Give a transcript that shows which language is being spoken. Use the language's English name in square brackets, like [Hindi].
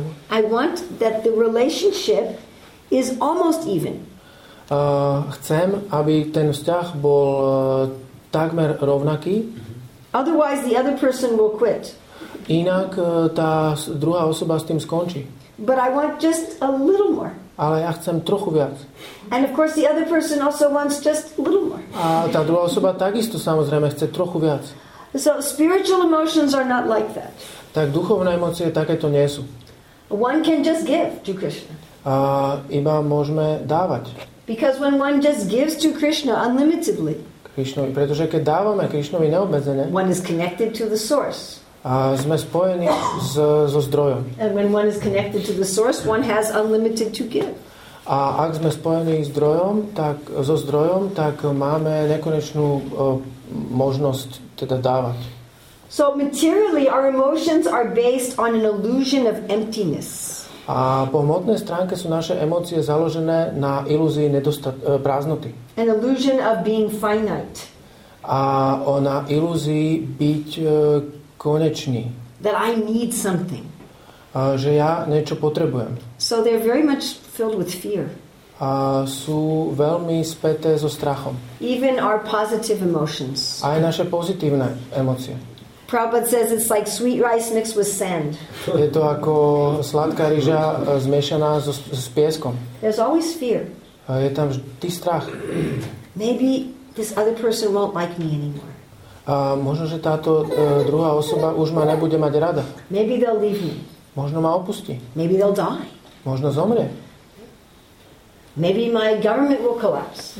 [English] I want that the relationship is almost even. [Slovak] Chcem, aby ten vzťah bol takmer rovnaký. [English] Otherwise the other person will quit. [Slovak] Inak tá druhá osoba s tým skončí. [English] But I want just a little more. [Slovak] Ale ja chcem trochu viac. [English] And of course the other person also wants just a little more. [Slovak] A tá druhá osoba takisto samozrejme chce trochu viac. [English] So spiritual emotions are not like that. [Slovak] Tak duchovné emócie takéto nie sú. [English] One can just give to Krishna. [Slovak] A iba môžeme dávať. [English] Because when one just gives to Krishna unlimitedly. [Slovak] Krishnovi, pretože keď dávame Krishnovi neobmedzené. [English] One is connected to the source. [Slovak] A sme spojení so zdrojom. [English] And when one is connected to the source, one has unlimited to give. [Slovak] A ak sme spojení so zdrojom, tak máme nekonečnú možnosť teda dávať. [English] So materially our emotions are based on an illusion of emptiness. [Slovak] A po hmotnej stránke sú naše emócie založené na ilúzii prázdnoty. [English] An illusion of being finite. [Slovak] A na ilúzii byť konečný. [English] That I need something. [Slovak] Že ja niečo potrebujem. [English] So they're very much filled with fear. [Slovak] A sú veľmi späté so strachom. [English] Even our positive emotions. [Slovak] Aj naše pozitívne emócie. [English] Prabhupada says it's like sweet rice mixed with sand. [Slovak] Je to ako sladká ryža zmiešaná s pieskom. [English] There's always fear. [Slovak] Je tam vždy strach. [English] Maybe this other person won't like me anymore. [Slovak] A možno, že táto druhá osoba už ma nebude mať rada. [English] Maybe they'll leave me. [Slovak] Možno ma opustí. [English] Maybe they'll die. [Slovak] Možno zomrie. [English] Maybe my government will collapse.